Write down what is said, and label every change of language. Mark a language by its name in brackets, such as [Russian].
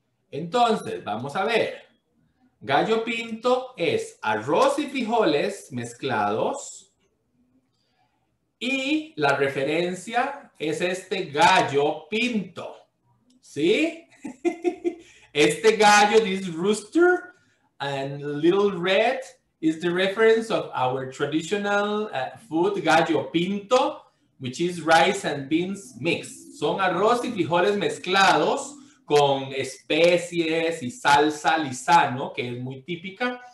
[Spanish] Entonces, vamos a ver. Gallo pinto es arroz y frijoles mezclados. Y la referencia es este gallo pinto, ¿sí? Este gallo, [English] this rooster, and little red, is the reference of our traditional food, gallo pinto, which is rice and beans mixed. [Spanish] Son arroz y frijoles mezclados con especies y salsa Lizano, que es muy típica.